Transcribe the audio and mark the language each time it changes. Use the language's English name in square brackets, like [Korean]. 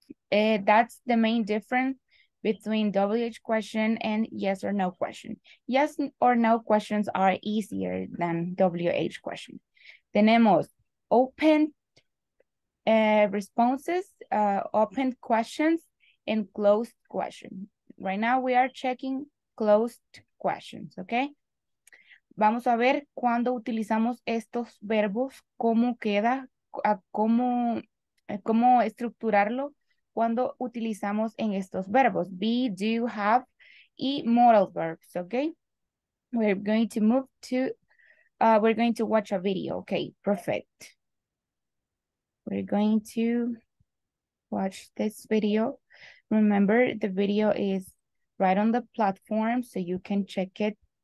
[English] That's the main difference between WH question and yes or no question. Yes or no questions are easier than WH question. Tenemos open responses, open questions, and closed questions. Right now we are checking closed questions, okay? [Spanish] Vamos a ver cuando utilizamos estos verbos, cómo queda, cómo estructurarlo cuando utilizamos en estos verbos. [English] Be, do, have, y modal verbs, okay? We're going to move to, we're going to watch a video, okay? Perfect. We're going to watch this video. Remember, the video is right on the platform, so you can check it.